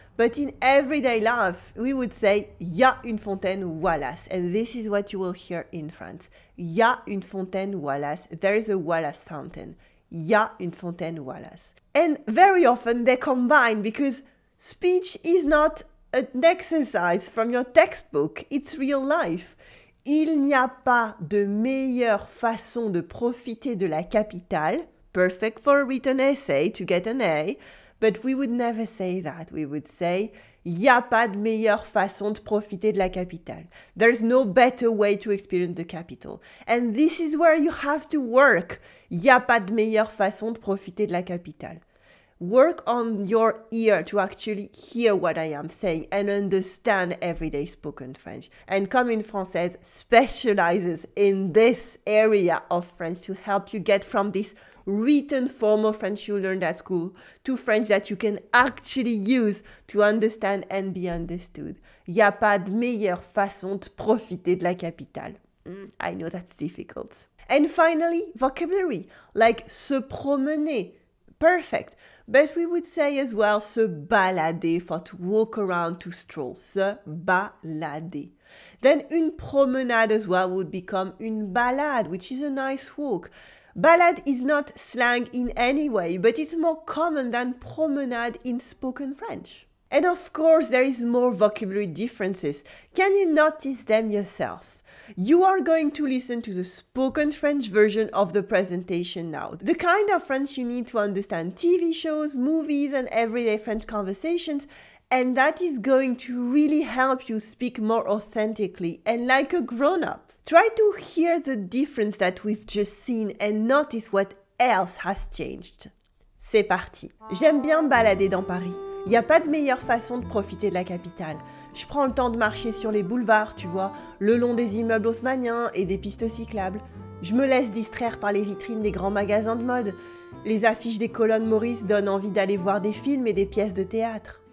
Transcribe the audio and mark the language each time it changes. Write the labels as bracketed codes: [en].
[en] But in everyday life, we would say « [fr] y'a une fontaine Wallace ». [en] And this is what you will hear in France. « [fr] Y'a une fontaine Wallace ». [en] There is a Wallace fountain. « [fr] Y'a une fontaine Wallace ». [en] And very often they combine, because speech is not an exercise from your textbook. It's real life. [fr] « Il n'y a pas de meilleure façon de profiter de la capitale. » [en] Perfect for a written essay to get an A. But we would never say that. We would say, [fr] y'a pas de meilleure façon de profiter de la capitale. [en] There's no better way to experience the capital. And this is where you have to work. [fr] Y'a pas de meilleure façon de profiter de la capitale. [en] Work on your ear to actually hear what I am saying and understand everyday spoken French. And Commune Française specializes in this area of French to help you get from this written form of French you learned at school to French that you can actually use to understand and be understood. [fr] Y'a pas de meilleure façon de profiter de la capitale. [en] I know that's difficult. And finally, vocabulary, like se promener, perfect. But we would say as well, se balader, for to walk around, to stroll. Se balader. Then une promenade as well would become une balade, which is a nice walk. Balade is not slang in any way, but it's more common than promenade in spoken French. And of course, there is more vocabulary differences. Can you notice them yourself? You are going to listen to the spoken French version of the presentation now. The kind of French you need to understand TV shows, movies, and everyday French conversations. And that is going to really help you speak more authentically and like a grown-up. Try to hear the difference that we've just seen and notice what else has changed. [fr] C'est parti. J'aime bien balader dans Paris. Il n'y a pas de meilleure façon de profiter de la capitale. Je prends le temps de marcher sur les boulevards, tu vois, le long des immeubles haussmanniens et des pistes cyclables. Je me laisse distraire par les vitrines des grands magasins de mode. Les affiches des colonnes Maurice donnent envie d'aller voir des films et des pièces de théâtre.